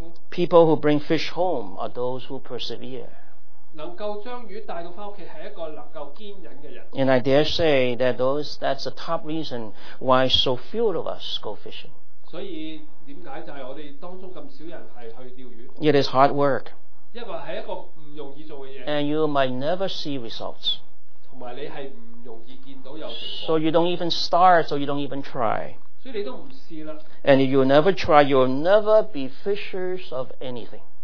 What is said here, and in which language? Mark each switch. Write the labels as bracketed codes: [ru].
[en] People who bring fish home are those who persevere. [zh] 能够将鱼带到回家是一个能够坚忍的人。 [en] And I dare say that that's the top reason why so few of us go fishing. [zh] 所以为什么就是我们当中这么少人是去钓鱼？ [en] It is hard work. [zh] 因为是一个不容易做的事。 [en] And you might never see results. [zh] 而且你是不容易见到有成果。 [en] So you don't even start, so you don't even try. [zh] 所以你都不试了。 [en] And if you never try, you'll never be fishers of anything.